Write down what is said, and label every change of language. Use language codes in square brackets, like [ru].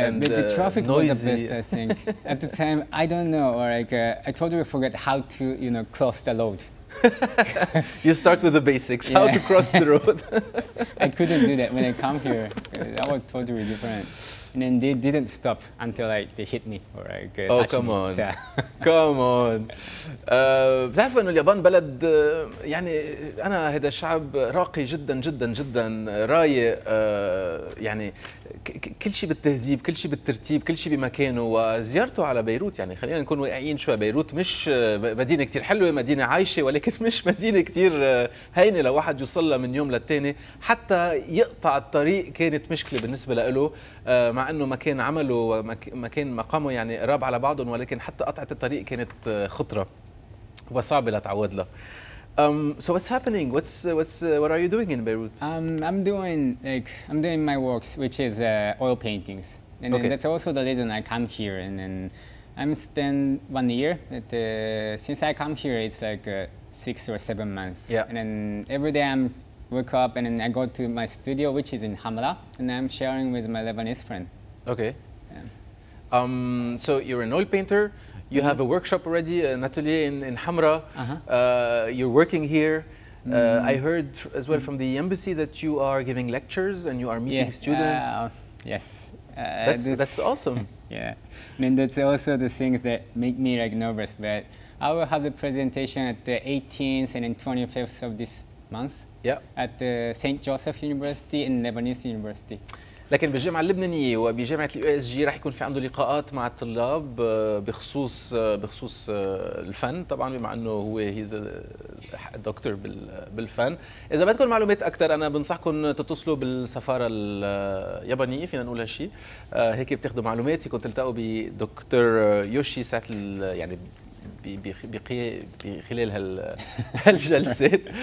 [en] but the traffic was the best, I think. At the time, I don't know, or like, I totally forget how to, you know, cross the road. You start with the basics, how to cross the road. I couldn't do that when I come here. That was totally different. And then they didn't stop until like, they hit me. Or like, oh, come on. Come on. [ar] بتعرف انه اليابان بلد يعني انا هذا الشعب راقي جدا جدا جدا، رايق، يعني كل شيء بالتهذيب، كل شيء بالترتيب، كل شيء بمكانه. وزيارته على بيروت، يعني خلينا نكون واقعيين شوي، بيروت مش مدينه كثير حلوه، مدينه عايشه، ولكن مش مدينه كثير هينه لواحد يوصلها من يوم للتاني. حتى يقطع الطريق كانت مشكله بالنسبه له، مع انه مكان عمله ومكان مقامه يعني قراب على بعضهم، ولكن حتى قطعت الطريق كانت خطره وصعبه لتعود له. [en] So what's happening? What are you doing in Beirut? I'm doing my works, which is oil paintings, and then that's also the reason I come here. And then I'm spend 1 year. Since I come here, it's like 6 or 7 months. Yeah. And then every day I'm wake up and then I go to my studio, which is in Hamla, and I'm sharing with my Lebanese friend. Okay. Yeah. So you're an oil painter. You have a workshop already, an atelier in Hamra. You're working here. I heard as well from the embassy that you are giving lectures and you are meeting students. Yes. That's awesome. Yeah. And that's also the things that make me like nervous. But I will have a presentation at the 18th and then 25th of this month. Yeah. At the St. Joseph University and Lebanese University. [ar] لكن بالجامعة اللبنانية وبجامعة اليو اس جي راح يكون في عنده لقاءات مع الطلاب بخصوص الفن، طبعا بما انه هو هيز دكتور بالفن. إذا بدكم معلومات أكثر أنا بنصحكم تتصلوا بالسفارة اليابانية، فينا نقول هالشيء، هيك بتاخذوا معلومات، فيكم تلتقوا بدكتور يوشي ساعة يعني بخلال هالجلسات.